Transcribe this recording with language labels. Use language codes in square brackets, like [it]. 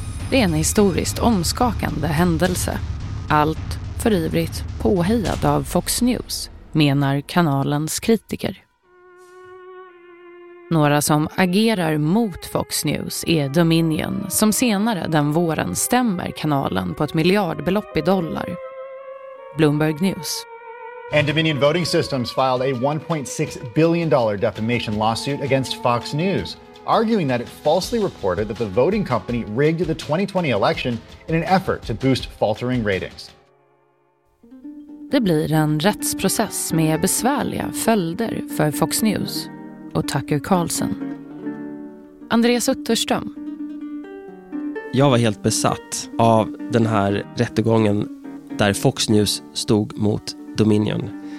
[sv] Det är en historiskt omskakande händelse. Allt för ivrigt påhejad av Fox News, menar kanalens kritiker. Några som agerar mot Fox News är Dominion, som senare den våren stämmer kanalen på ett miljardbelopp i dollar. Bloomberg News. [en] And Dominion Voting Systems filed a $1.6 billion defamation lawsuit against Fox News, arguing that it falsely reported that the voting company rigged the 2020 election in an effort to boost faltering ratings. [sv] Det blir en rättsprocess med besvärliga följder för Fox News och Tucker Carlson. Andreas Utterström. Jag var helt besatt av den här rättegången där Fox News stod mot Dominion.